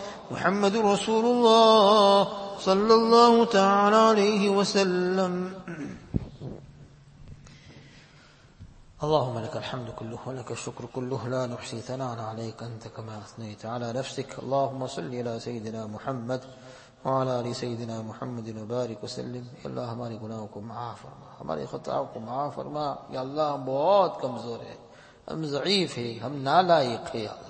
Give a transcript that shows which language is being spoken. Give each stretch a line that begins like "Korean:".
Arabic: محمد رسول الله صلى الله تعالى عليه وسلم. اللهم لك الحمد كله ولك الشكر كله لا نحصي ثناء عليك أنت كما أثنيت على نفسك. اللهم صل على سيدنا محمد وعلى آل سيدنا محمد وبارك وسلم.
Urdu: يا الله ہماری گناہوں کو معاف فرما، ہماری خطاؤں کو معاف فرما. يا الله ہم بہت کمزور ہیں، ہم ضعیف ہیں، ہم نالائق ہیں.